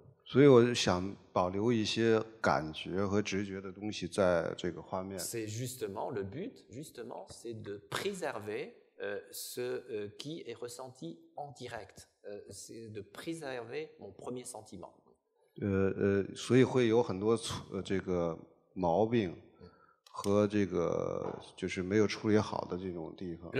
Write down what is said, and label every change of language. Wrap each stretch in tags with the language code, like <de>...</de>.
<zh>所以我想保留一些感觉和直觉的东西在这个画面。</zh> <fr>C'est justement le but, justement, c'est de préserver ce qui est ressenti en direct. C'est de préserver mon premier sentiment.</fr> <zh>所以会有很多这个毛病。和这个就是没有处理好的这种地方。</zh>